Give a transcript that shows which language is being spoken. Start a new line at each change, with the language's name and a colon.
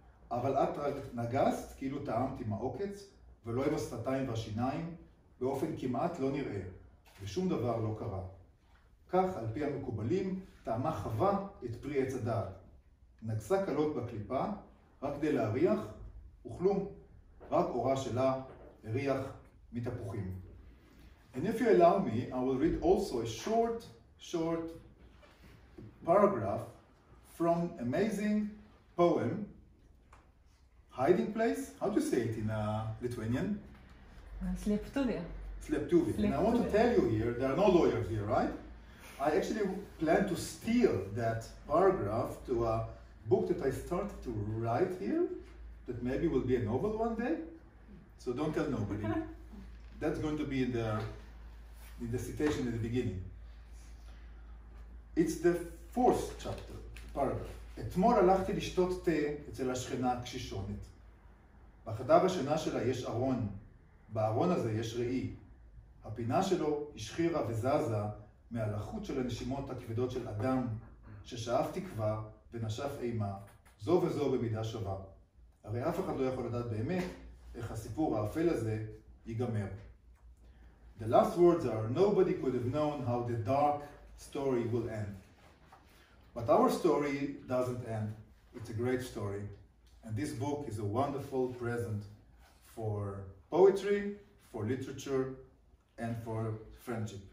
Hebrew: אבל את רק נגסת, כאילו טעמת עם העוקץ, ולא עם השפתיים והשיניים, באופן כמעט לא נראה, ושום דבר לא קרה. כך, על פי המקובלים, טעמה חווה את פרי עץ הדעת. נגסה קלות בקליפה, רק כדי להריח, וכלום, רק אורה שלה, הריח מתפוחים.
English: And if you allow me, I will read also a short, short paragraph from amazing poem, Hiding Place. How do you say it in Lithuanian?
Lithuanian: Sleptuvia. Sleptuvia.
English: And I want to tell you here, there are no lawyers here, right? I actually plan to steal that paragraph to a book that I started to write here, that maybe will be a novel one day. So don't tell nobody. That's going to be in the citation at the beginning. It's the fourth chapter, paragraph.
Hebrew: אתמול הלכתי לשתות תה אצל השכנה הקשישונת. בחדר השינה שלה יש ארון. בארון הזה יש ראי. הפינה שלו השחירה וזזה מהלחות של הנשימות הכבדות של אדם ששאף תקווה ונשף אימה, זו וזו במידה שווה. הרי אף אחד לא יכול לדעת באמת איך הסיפור האפל הזה ייגמר.
English: The last words are, nobody could have known how the dark story will end. But our story doesn't end. It's a great story. And this book is a wonderful present for poetry, for literature, and for friendship.